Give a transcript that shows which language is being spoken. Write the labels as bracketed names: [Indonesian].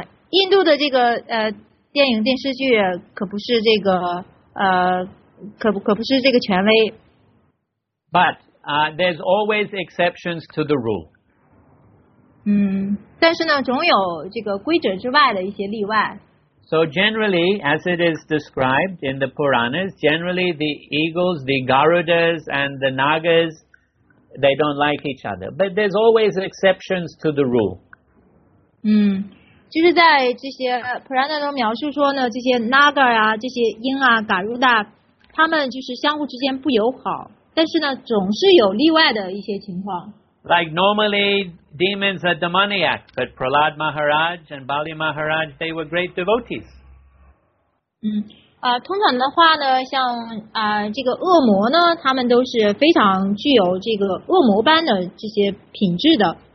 [Chinese] 印度的这个电影电视剧可不是这个可不是这个权威。 [English] But there's always exceptions to the rule. [Chinese] 但是呢，总有这个规则之外的一些例外。 [English] So generally, as it is described in the Puranas, generally the eagles, the Garudas, and the Nagas, they don't like each other. But there's always exceptions to the rule. [Chinese] 嗯，就是在这些 Purana 中描述说呢，这些 Naga 啊，这些鹰啊 ，Garuda， 他们就是相互之间不友好，但是呢，总是有例外的一些情况。 [English] Like normally, demons are demoniac, but Prahlad Maharaj and Bali Maharaj, they were great devotees. [Chinese] 通常的话呢，像这个恶魔呢，他们都是非常具有这个恶魔般的这些品质的。